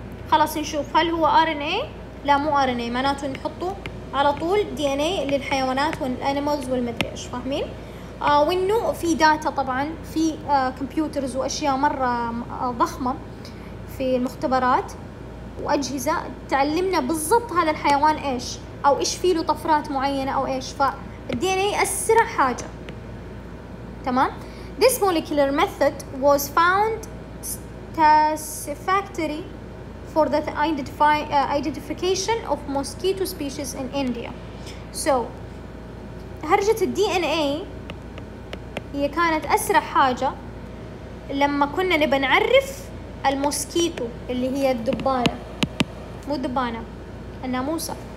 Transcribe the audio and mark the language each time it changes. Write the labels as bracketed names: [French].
[Arabic] خلاص نشوف هل هو ار ان اي؟ لا مو ار ان اي, معناته نحطه على طول دي ان اي للحيوانات والانيمالز والمدري ايش, فاهمين؟ وانه في داتا طبعا في كمبيوترز واشياء مره ضخمه في المختبرات واجهزه تعلمنا بالضبط هذا الحيوان ايش او ايش فيه له طفرات معينه او ايش. فالدي ان اي اسرع حاجه تمام. [English] This molecular method was found satisfactory for the identification of mosquito species in India. [Arabic] So, هرجة DNA هي كانت أسرع حاجة لما كنا نبى نعرف الموسكيتو اللي هي الدبانة، مو الدبانة، الناموسة.